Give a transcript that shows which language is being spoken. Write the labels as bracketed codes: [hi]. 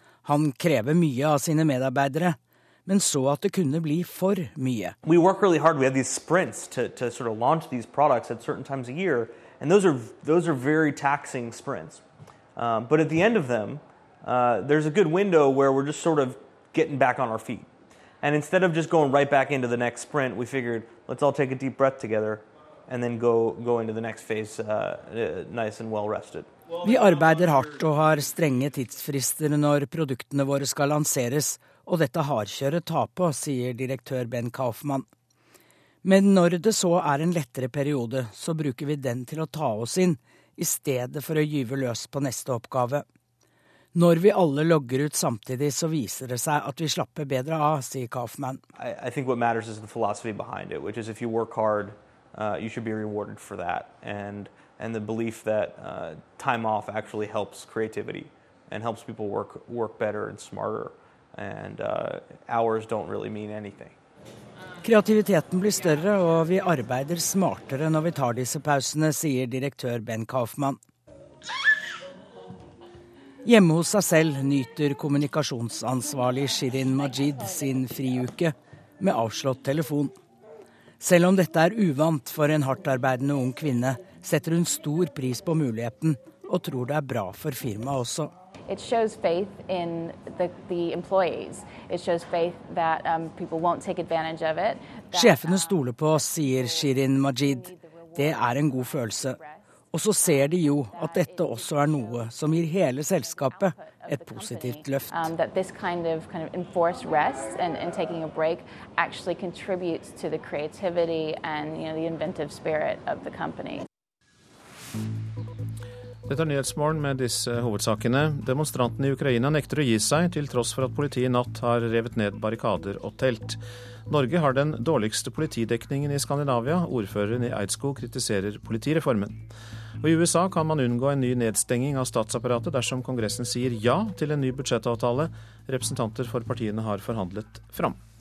[no] Han krever mye av sine medarbeidere, men så at det kunne bli for mye. [en] We work really hard. We have these sprints to sort of launch these products at certain times a year, and those are very taxing sprints. But at the end of them, there's a good window where we're just sort of getting back on our feet. And instead of just going right back into the next sprint, we figured, let's all take a deep breath together and then go into the next phase nice and well rested. [no] Vi arbeider hardt og har strenge tidsfrister når produktene våre skal lanseres, og dette hardkjøret tar på, sier direktør Ben Kaufmann. Men når det så er en lettere periode, så bruker vi den til å ta oss inn, i stedet for å gyve løs på neste oppgave. Når vi alle logger ut samtidig, så viser det seg at vi slapper bedre av, sier Kaufmann. [en] I think what matters is the philosophy behind it, which is if you work hard, you should be rewarded for that. And the belief that time off actually helps creativity and helps people work better and smarter. And hours don't really mean anything. [no] Kreativiteten blir større, og vi arbeider smartere når vi tar disse pausene, sier direktør Ben Kaufmann. Hjemme hos seg selv nyter kommunikasjonsansvarlig Shirin Majid sin friuke med avslått telefon. Selv om dette er uvant for en hardtarbeidende ung kvinne, setter hun stor pris på muligheten og tror det er bra for firmaet også. [en] It shows faith in the employees. It shows faith that people won't take advantage of it. [no] Sjefene stoler på oss, sier Shirin Majid. Det er en god følelse. Og så ser de jo at dette også er noe som gir hele selskapet et positivt løft. [en] That this kind of enforced rest and taking a break actually contributes to the creativity and, you know, the inventive spirit of the company. [no] Dette er Nyhetsmorgen med disse hovedsakene. Demonstrantene i Ukraina nekter å gi seg, til tross for at politiet i natt har revet ned barrikader og telt. Norge har den dårligste politidekningen i Skandinavia. Ordføreren i Eidskog kritiserer politireformen. Og i USA kan man unngå en ny nedstenging av statsapparatet dersom kongressen sier ja til en ny budsjettavtale representanter for partiene har forhandlet fram.